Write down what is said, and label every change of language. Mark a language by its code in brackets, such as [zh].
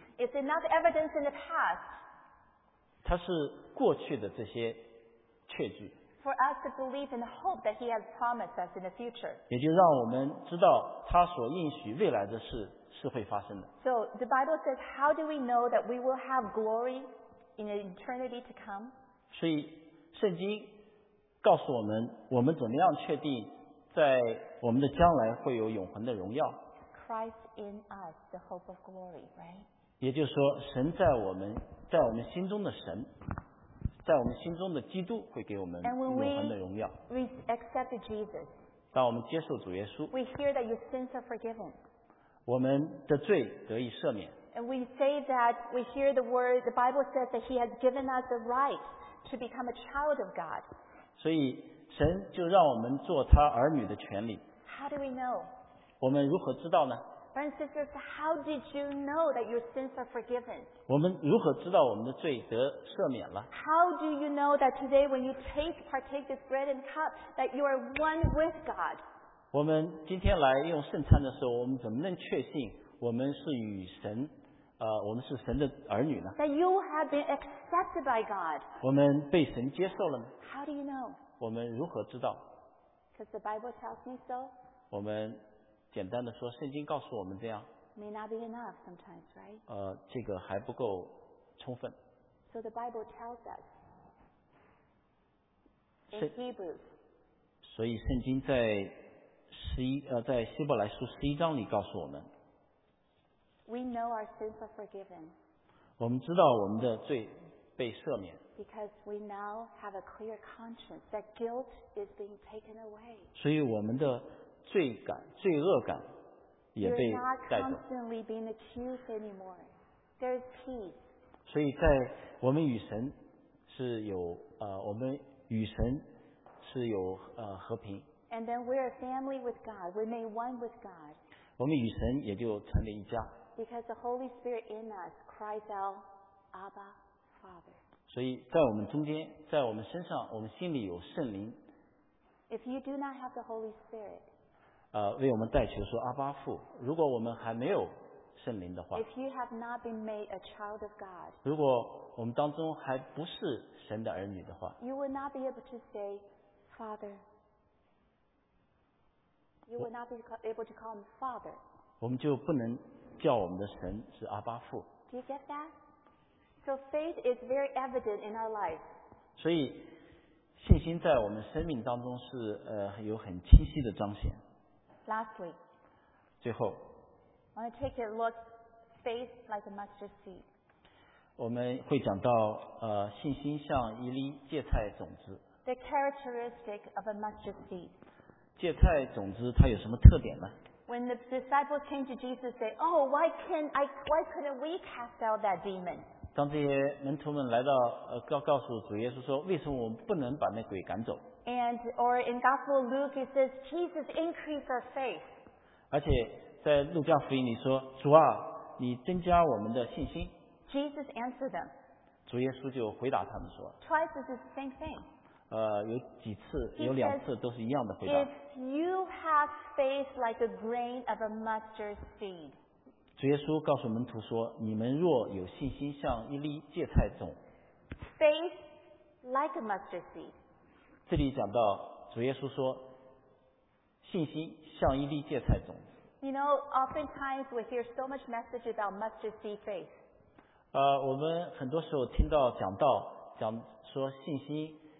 [en] It's enough evidence in the past. [zh] 它是过去的这些确据。 [en] For us to believe and hope that He has promised us in the future. [zh] 也就让我们知道他所应许未来的事是会发生的。 [en] So the Bible says, how do we know that we will have glory in the eternity to come? [zh] 所以圣经告诉我们，我们怎么样确定在我们的将来会有永恒的荣耀。 [en] Christ in us, the hope of glory, right? [zh] 也就是说，神在我们，在我们心中的神，在我们心中的基督会给我们永恒的荣耀。 [en] And when we accept Jesus, [zh] 当我们接受主耶稣， [en] we hear that your sins are forgiven. [zh] 我们的罪得以赦免。 [en] And we say that we hear the word, the Bible says that He has given us the right to become a child of God. [zh] 所以神就让我们做他儿女的权利。 [en] How do we know? [zh] 我们如何知道呢？ [en] Friends, sisters, how did you know that your sins are forgiven? [zh] 我们如何知道我们的罪得赦免了？ [en] How do you know that today when you partake this bread and cup that you are one with God? [zh] 我们今天来用圣餐的时候，我们怎么能确信我们是与神我们是神的儿女呢？ [en] That you have been accepted by God. [zh] 我们被神接受了吗？ [en] How do you know? [zh] 我们如何知道？ [en] Because the Bible tells me so. [zh] 我们简单的说，圣经告诉我们这样。 [en] May not be enough sometimes, right? [zh] 这个还不够充分。 [en] So the Bible tells us in Hebrews. [zh] 所以圣经在在希伯来书十一章里告诉我们。 [en] We know our sins are forgiven. [zh] 我们知道我们的罪被赦免。 [en] Because we now have a clear conscience that guilt is being taken away. [zh] 所以我们的罪感、罪恶感也被带走。 [en] You're not constantly being accused anymore. There is peace. [zh] 所以在我们与神是有我们与神是有和平。 [en] And then we are family with God. We made one with God. [zh] 我们与神也就成了一家。 [en] Because the Holy Spirit in us cries out, Abba, Father. [zh] 所以在我们中间，在我们身上，我们心里有圣灵。 [en] If you do not have the Holy Spirit, [zh] 为我们代求说阿巴父，如果我们还没有圣灵的话， [en] If you have not been made a child of God, [zh] 如果我们当中还不是神的儿女的话， [en] You will not be able to say, Father. You will not be able to call him Father. [zh] 我们就不能叫我们的神是阿巴父。 [en] Do you get that? So faith is very evident in our life. [zh] 所以信心在我们生命当中是有很清晰的彰显。 [en] Lastly, [zh] 最后 [en] I want to take a look faith like a mustard seed. [zh] 我们会讲到信心像一粒芥菜种子。 [en] The characteristic of a mustard seed. [zh] 芥菜种子它有什么特点呢？ [en] When the disciples came to Jesus, they said, "Oh, why couldn't we cast out that demon?" [zh] 当这些门徒们来到告诉主耶稣说，为什么我们不能把那鬼赶走？ [en] And or in Gospel of Luke, it says, "Jesus increased our faith." [zh] 而且在路加福音里说，主啊，你增加我们的信心。 [en] Jesus answered them. [zh] 主耶稣就回答他们说 [en] ，Twice is the same thing. [zh] 有几次，有两次都是一样的回答。 [en] He says, "If you have faith like a grain of a mustard seed." [zh] 主耶稣告诉门徒说，你们若有信心像一粒芥菜种。 [en] Faith like a mustard seed. [zh] 这里讲到主耶稣说，信心像一粒芥菜种。 [en] You know, oftentimes we hear so much message about mustard seed faith. [zh] 我们很多时候听到讲到讲说信心。